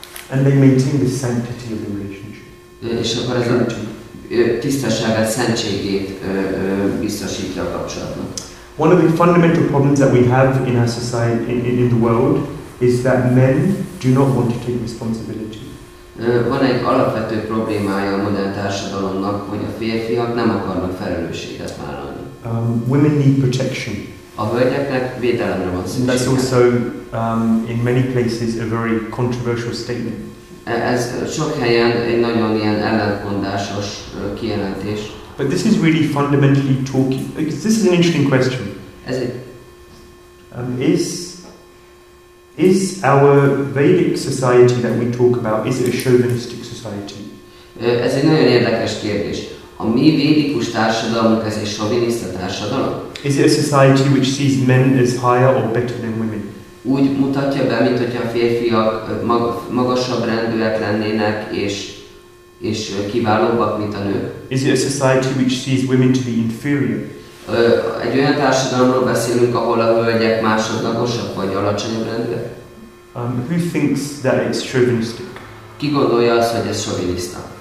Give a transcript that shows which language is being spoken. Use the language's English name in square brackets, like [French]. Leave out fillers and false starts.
[English] And they maintain the sanctity of the relationship. [Hungarian] És akkor ez a tisztességet, szentségét biztosítja a kapcsolatban. [English] One of the fundamental problems that we have in our society, in the world, is that men do not want to take responsibility. [Hungarian] Van egy alapvető problémája a modern társadalomnak, hogy a férfiak nem akarnak felelősséget vállalni. [English] Women need protection. [Hungarian] A hölgyeknek védelemre van szüksége. [English] That's also in many places a very controversial statement. [Hungarian] Ez sok helyen egy nagyon ilyen ellentmondásos kijelentés. [English] But this is really fundamentally talking. This is an interesting question. [Hungarian] Ez egy. [English] Is our Vedic society that we talk about, is it a chauvinistic society? [Hungarian] Ez egy nagyon érdekes kérdés. A mi védikus társadalmunk, ez egy chauvinista társadalom? [English] Is it a society which sees men as higher or better than women? [Hungarian] Úgy mutatja be, mint hogyha a férfiak magasabb rendűek lennének és kiválóbbak, mint a nők. [English] Is it a society which sees women to be inferior? [Hungarian] Egy olyan társadalomról beszélünk, ahol a hölgyek másodlagosak vagy alacsonyabb rendűek? [English] Who thinks that it's chauvinistic? [Hungarian] Ki gondolja azt, hogy ez chauvinista?